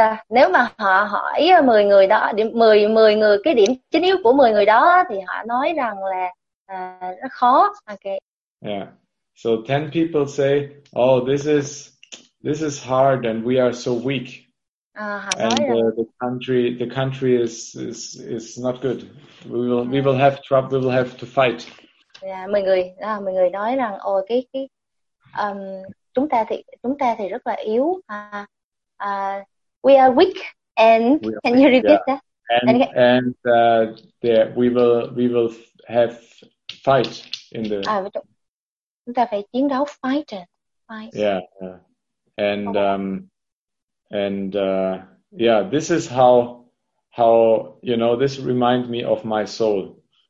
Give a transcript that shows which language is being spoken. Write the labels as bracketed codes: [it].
[vi] Nếu mà họ hỏi 10 người đó, 10 người cái điểm chính yếu của 10 người đó thì họ nói rằng là nó khó. [en] Okay. Yeah. So 10 people say, "Oh, this is hard and we are so weak." And the country is not good. We will have trouble. We will have to fight. [vi] Yeah, mọi người nói rằng, ôi cái chúng ta thì rất là yếu. [en] We are weak. And can you repeat that? And we will have fight in the. [vi] Chúng ta phải chiến đấu, fight. [en] Yeah. And this is how you know, this reminds me of my soul.